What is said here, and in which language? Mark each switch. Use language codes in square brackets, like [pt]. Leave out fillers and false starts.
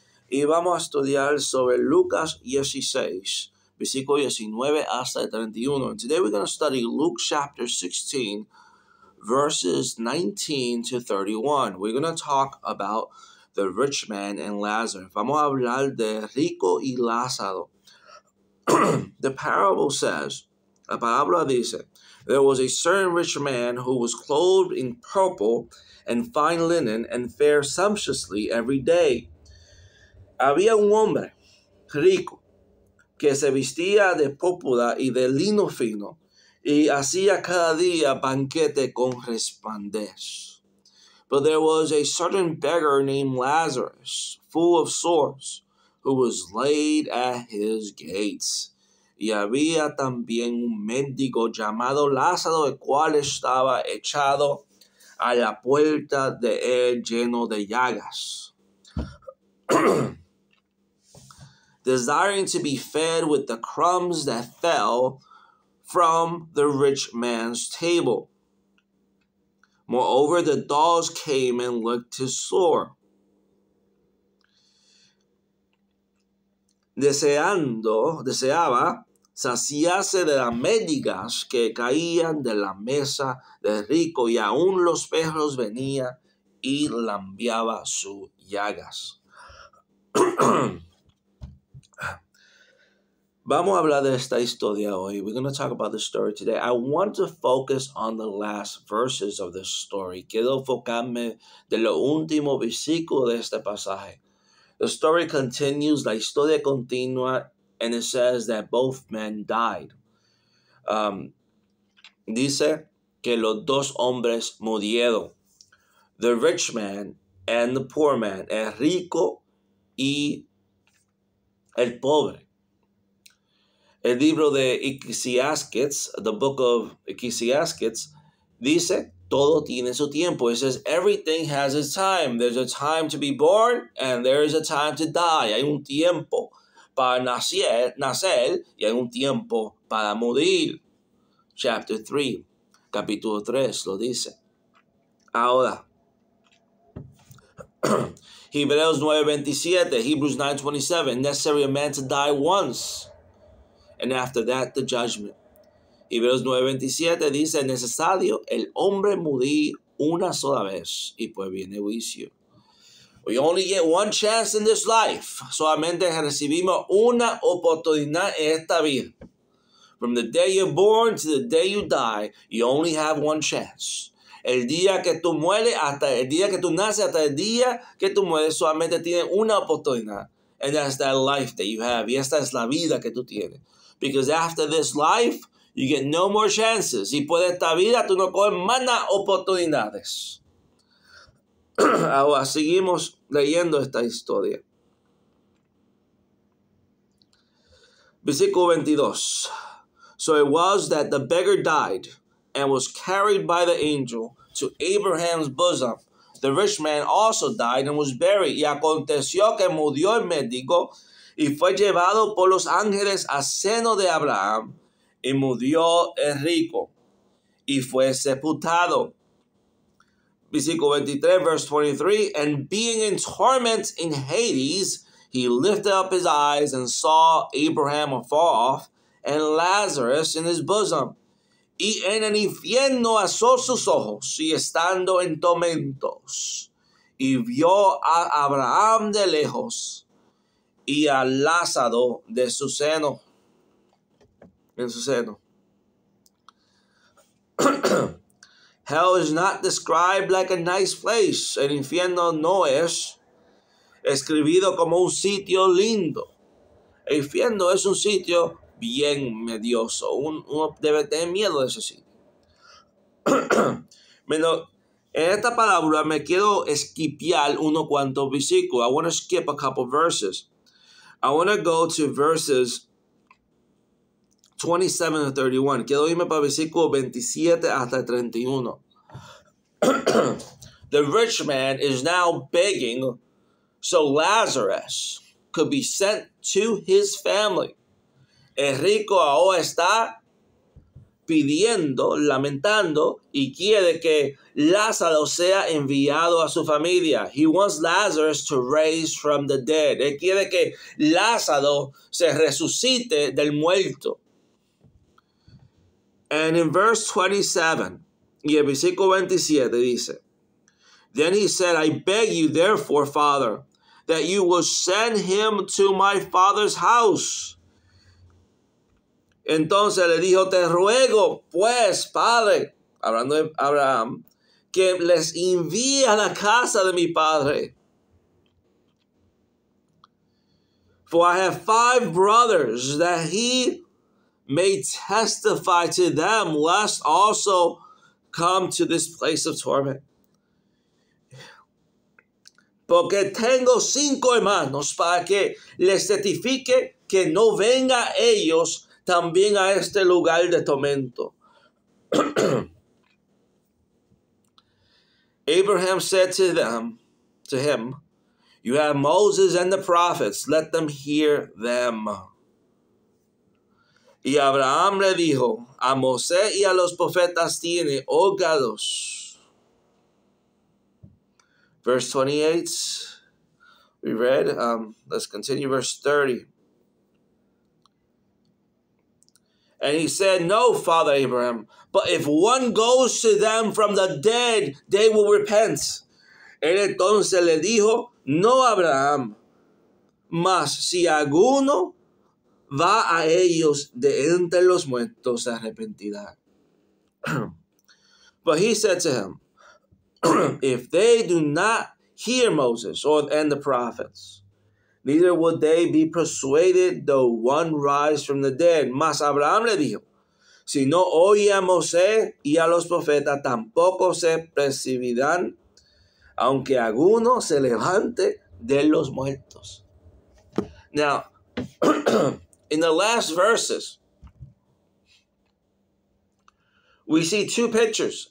[es] Y vamos a estudiar sobre Lucas 16, versículo 19 hasta el 31. [en] And today we're going to study Luke chapter 16, verses 19 to 31. We're going to talk about the rich man and Lazarus. [es] Vamos a hablar de Rico y Lázaro. [en] The parable says, [es] la parábola dice, [en] there was a certain rich man who was clothed in purple and fine linen and fared sumptuously every day. [es] Había un hombre rico que se vestía de púrpura y de lino fino y hacía cada día banquete con resplandez. [en] But there was a certain beggar named Lazarus, full of sores, who was laid at his gates. [es] Y había también un mendigo llamado Lázaro, el cual estaba echado a la puerta de él lleno de llagas. [en] Desiring to be fed with the crumbs that fell from the rich man's table. Moreover, the dogs came and licked his sore. [es] Deseaba saciarse de las mendigas que caían de la mesa del rico, y aún los perros venían y lambiaba sus llagas. Vamos a hablar de esta historia hoy. [en] We're going to talk about the story today. I want to focus on the last verses of this story. [es] Quiero enfocarme de lo último versículo de este pasaje. [en] The story continues, [es] la historia continúa, [en] and it says that both men died. [es] Dice que los dos hombres murieron. [en] The rich man and the poor man, [es] el rico y el pobre. El libro de Ecclesiastes, [en] the book of Ecclesiastes, [es] dice, todo tiene su tiempo. [en] It says, everything has its time. There's a time to be born, and there is a time to die. [es] Hay un tiempo para nacer, y hay un tiempo para morir. [en] Chapter 3, [es] capítulo 3, lo dice. Ahora, Hebreos 9:27, [en] Hebrews 9:27, necessary a man to die once. And after that, the judgment. [es] Hebreos 9:27 dice, necesario el hombre morir una sola vez, y pues viene juicio. [en] We only get one chance in this life. [es] Solamente recibimos una oportunidad en esta vida. [en] From the day you're born to the day you die, you only have one chance. [es] El día que tú mueres, hasta el día que tú naces, hasta el día que tú mueres, solamente tienes una oportunidad. [en] And that's that life that you have. [es] Y esta es la vida que tú tienes. [en] Because after this life, you get no more chances. [es] Y por esta vida, tú no coges más nada oportunidades. Ahora, seguimos leyendo esta historia. Versículo 22. [en] So it was that the beggar died and was carried by the angel to Abraham's bosom. The rich man also died and was buried. [es] Y aconteció que murió el mendigo y fue llevado por los ángeles al seno de Abraham, y murió el rico, y fue sepultado. Versículo 23, [en] verse 23, and being in torments in Hades, he lifted up his eyes and saw Abraham afar off, and Lazarus in his bosom. [es] Y en el infierno alzó sus ojos, y estando en tormentos, y vio a Abraham de lejos, y a Lázaro de su seno. En su seno. [en] Hell is not described like a nice place. [es] El infierno no es escribido como un sitio lindo. El infierno es un sitio bien medioso. Uno debe tener miedo de ese sitio. Menos. En esta palabra me quiero esquipiar unos cuantos versículos. [en] I want to skip a couple verses. I want to go to verses 27 to 31. [es] Quiero irme para versículo 27 hasta 31. [en] The rich man is now begging so Lazarus could be sent to his family. [es] El rico ahora está pidiendo, lamentando, y quiere que Lázaro sea enviado a su familia. [en] He wants Lazarus to raise from the dead. [es] Él quiere que Lázaro se resucite del muerto. [en] And in verse 27, [es] y el versículo 27 dice, [en] then he said, I beg you therefore, Father, that you will send him to my father's house. [es] Entonces le dijo, te ruego, pues, padre, hablando de Abraham, que les envíe a la casa de mi padre. [en] For I have five brothers, that he may testify to them, lest also come to this place of torment. [es] Porque tengo cinco hermanos para que les certifique que no venga ellos también a este lugar de tormento. [en] Abraham said to them, to him, you have Moses and the prophets, let them hear them. [es] Y Abraham le dijo, a Moisés y a los profetas tiene, óigalos. [en] Verse 28, we read, let's continue, verse 30. And he said, no, Father Abraham, but if one goes to them from the dead, they will repent. [es] Él entonces le dijo, no, Abraham, mas si alguno va a ellos de entre los muertos, se arrepentirá. [en] But he said to him, if they do not hear Moses or and the prophets, neither would they be persuaded though one rise from the dead. [es] Mas Abraham le dijo, si no oye a Moisés y a los profetas, tampoco se percibirán, aunque alguno se levante de los muertos. [en] Now, in the last verses, we see two pictures.